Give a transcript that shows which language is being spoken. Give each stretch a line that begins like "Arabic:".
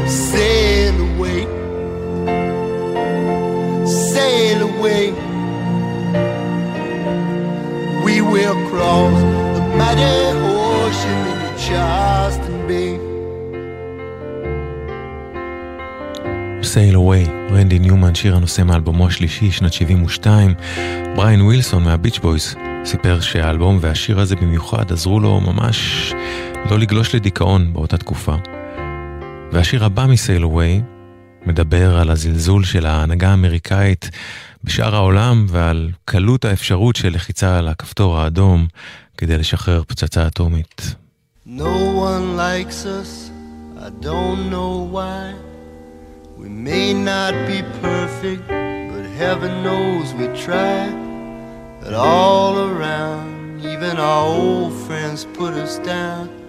English: Sail away. Sail away. We will cross the mighty ocean in the Charleston Bay.
Hebrew: Sail Away, רנדי ניומן, שיר הנושא מאלבומו השלישי, שנת 72. בריין ווילסון מהביץ' בויס סיפר שהאלבום והשיר הזה במיוחד עזרו לו ממש לא לגלוש לדיכאון באותה תקופה. והשיר הבא מ-Sail Away מדבר על הזלזול של ההנהגה האמריקאית בשאר העולם ועל קלות האפשרות של לחיצה על הכפתור האדום כדי לשחרר פצצה אטומית.
English: No one likes us, I don't know why. We may not be perfect, but heaven knows we try. But all around, even our old friends put us down.